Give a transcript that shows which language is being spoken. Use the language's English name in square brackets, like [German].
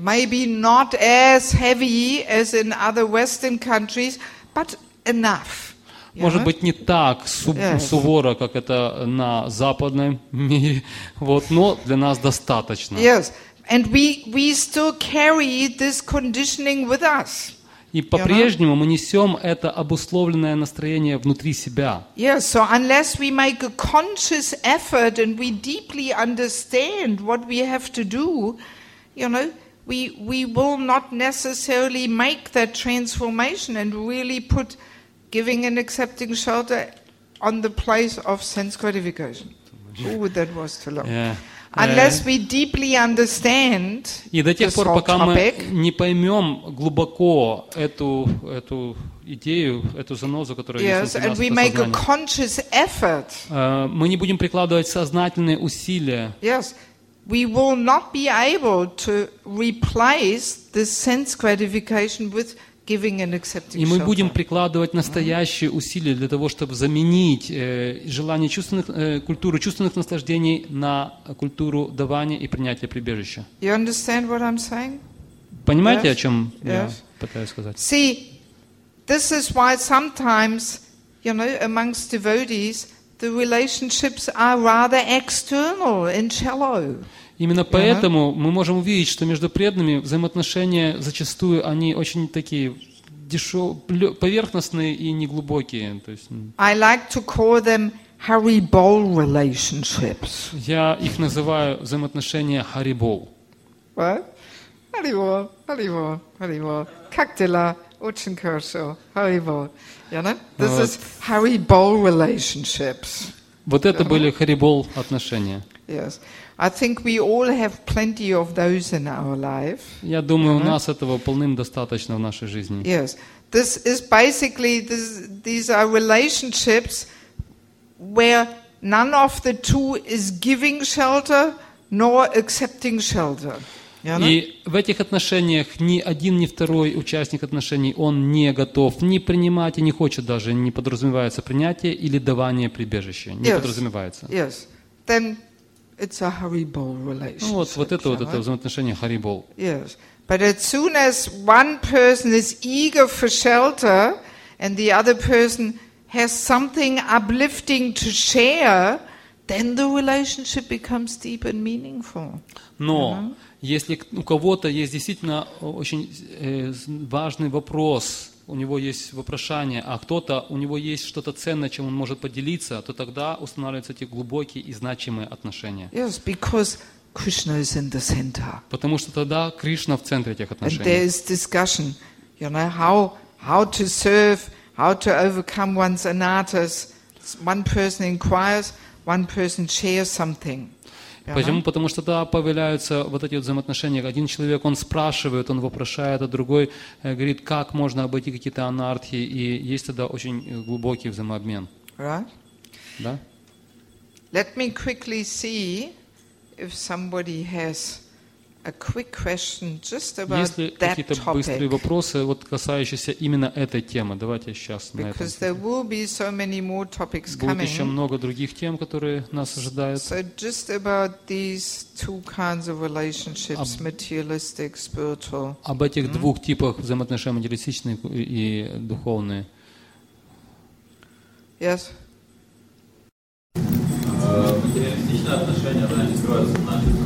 [English] Maybe not as heavy as in other Western countries, but enough. [Russian] Может быть, не так суворо, как это на западном мире, но для нас достаточно. [English] Yes, and we still carry this conditioning with us. [Russian] И по-прежнему мы несем это обусловленное настроение внутри себя. [English] Yes, so unless we make a conscious effort and we deeply understand what we have to do, we will not necessarily make that transformation and really put giving and accepting shelter on the place of sense gratification. Ooh, that was too long. Yeah. Unless we deeply understand this whole topic, [Russian] и до тех пор, пока мы не поймем глубоко эту идею, эту занозу, которая есть внутри нас, это сознание. [English] Yes, and we make a conscious effort. [Russian] Мы не будем прикладывать сознательные усилия. [English] Yes, we will not be able to replace the sense gratification with giving and accepting. [Russian] И мы будем прикладывать настоящие усилия для того, чтобы заменить желание чувственных культуру чувственных наслаждений на культуру давания и принятия прибежища. [English] You understand what I'm saying? [Russian] Понимаете, о чем я пытаюсь сказать? [English] See, this is why sometimes, amongst devotees, the relationships are rather external and shallow. [Russian] Именно поэтому мы можем увидеть, что между преданными взаимоотношения зачастую они очень такие дешевые, поверхностные и неглубокие. То есть, [English] I like to call them Harry Ball relationships. [Russian] Я их называю взаимоотношения Harry Ball. [English] What? [Russian] Harry Ball, Harry Ball, Harry Ball. Как дела? Очень хорошо. Harry Ball. Яна? [English] This is Harry Ball relationships. [Russian] Вот это были Harry Ball отношения. [English] Yes. I think we all have plenty of those in our life. [Russian] Я думаю, у нас этого полным-достаточно в нашей жизни. [English] Yes. This is basically these are relationships where none of the two is giving shelter nor accepting shelter. [Russian] И в этих отношениях ни один, ни второй участник отношений, он не готов ни принимать, и не хочет даже, не подразумевается принятие или давание прибежища, не подразумевается. [English] Yes. Then it's a Harry Ball relationship. [Russian] Ну, вот это вот это взаимоотношение Harry Ball. [English] Yes. But as soon as one person is eager for shelter and the other person has something uplifting to share, then the relationship becomes deep and meaningful. [Russian] Но если у кого-то есть действительно очень важный вопрос, у него есть вопрошание, а кто-то, у него есть что-то ценное, чем он может поделиться, то тогда устанавливаются эти глубокие и значимые отношения. [English] Yes, because Krishna is in the center. [Russian] Потому что тогда Кришна в центре этих отношений. [English] And there is discussion, you know, how to serve, how to overcome one's anattas. One person inquires, one person shares something. [Russian] Почему? Потому что тогда появляются вот эти вот взаимоотношения. Один человек, он спрашивает, он вопрошает, а другой говорит, как можно обойти какие-то анархии, и есть тогда очень глубокий взаимообмен. [English] Right. [Russian] Да? [English] Let me quickly see if somebody has a quick question just about that topic. [Russian] Есть ли какие-то быстрые вопросы, вот касающиеся именно этой темы? Давайте сейчас на этом. [English] Because there will be so many more topics coming. [Russian] Будет еще много других тем, которые нас ожидают. [English] So just about these two kinds of relationships, materialistic, spiritual. [Russian] Об этих двух типах взаимоотношений, материалистичные и духовные. [English] Yes. [Russian] Материалистичные отношения, да, они строятся на